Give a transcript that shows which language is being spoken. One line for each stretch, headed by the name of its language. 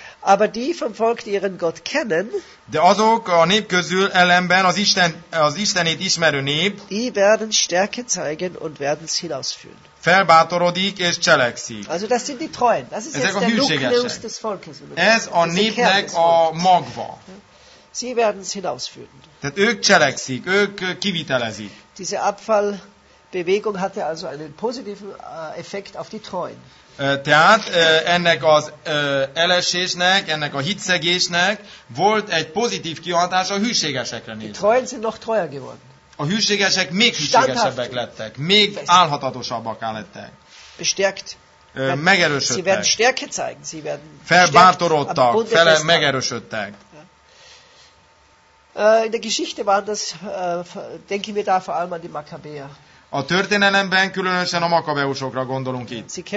German: Aber die vom Volk, die ihren Gott kennen,
Hungarian: de azok a nép közül ellenben az Istenét ismerő nép,
German: die werden Stärke zeigen und werden es hinausführen.
Hungarian: Felbátorodik és cselekszik.
German: Also das sind die Treuen. Das ist
Hungarian: ezek
German: jetzt
Hungarian: a hűségesek.
German: Des Volkes,
Hungarian: ez a népnek a magva.
German: Sie werden es hinausführen.
Hungarian: Tehát ők cselekszik, ők kivitelezik.
German: Diese Abfallbewegung hatte also einen positiven Effekt auf die Treuen.
Hungarian: Tehát ennek az elesésnek, ennek a hitszegésnek volt egy pozitív kihatása a hűségesekre nézve. A hűségesek még hűségesebbek lettek, még állhatatosabbak lettek. Megerősödtek. Felbátorodtak, megerősödtek.
German: In der Geschichte waren das, denken wir da vor allem an die Makkabäer.
Hungarian: A történelemben különösen a makabeusokra gondolunk itt.